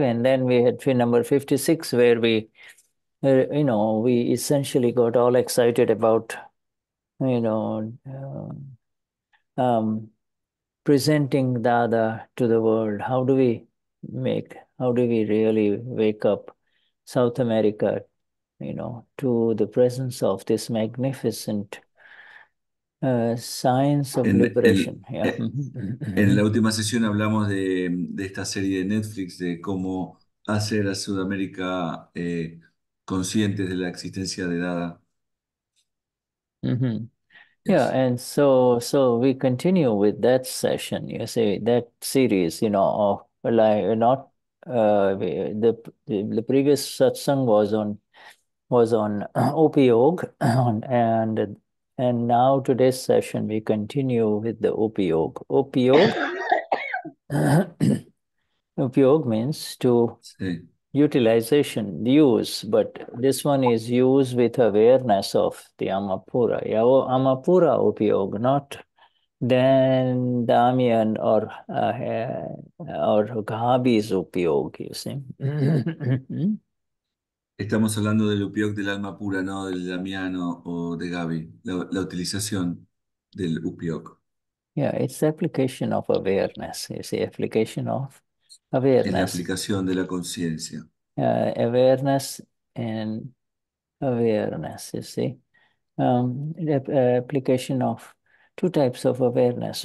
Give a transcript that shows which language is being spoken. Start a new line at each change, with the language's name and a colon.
English: And then we had session number 56, where we, you know, we essentially got all excited about, you know, presenting Dada to the world. How do we make, how do we really wake up South America, you know, to the presence of this magnificent science of liberation.
Spanish: En la última sesión hablamos de esta serie de Netflix, de cómo hacer a Sudamérica conscientes de la existencia de Dada.
English: Yes. Yeah, and so we continue with that session, you see, that series, you know, of like not the previous satsang was on upayoga, and now today's session we continue with the upayoga. Upayoga upayoga means to
Spanish: si.
English: Utilization, use, but this one is use with awareness of the amapura. Yeah, oh, amapura upayoga, not then Damian or Gabi's upayog, you see.
Spanish: Estamos hablando del upayog del alma pura, no del Damian o de Gabi, la utilización del upayog.
English: Yeah, it's application of awareness, you see, application of awareness.
Spanish: Es la aplicación de la conciencia.
English: Awareness and awareness, you see. Application of two types of awareness.